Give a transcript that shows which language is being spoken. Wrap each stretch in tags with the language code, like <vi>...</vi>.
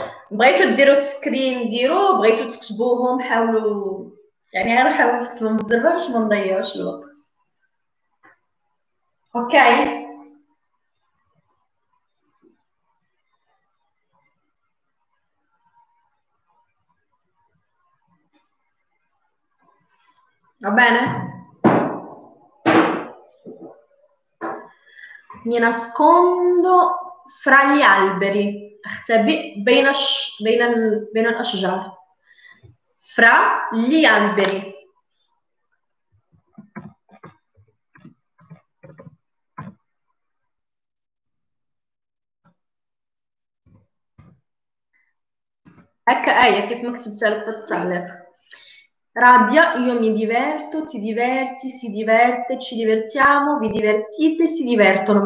<ar>بغيتو ديرو سكرين ديرو، بغيتو تكتبوهم حاولوا يعني غير حاولوا تكتبوا بالزربه باش ما نضيعوش الوقت.</ar> <it>اوكي Va bene. Mi nascondo fra gli alberi.</it> <ar>اختبئ بين بين الأشجار.</ar> <it>Fra gli alberi.</it> <ar>Ecco, كيف ما كتبتها لك في التعليق.</ar> <it>Rabbia, io mi diverto, ti diverti, si diverte, ci divertiamo, vi divertite, si divertono.</it>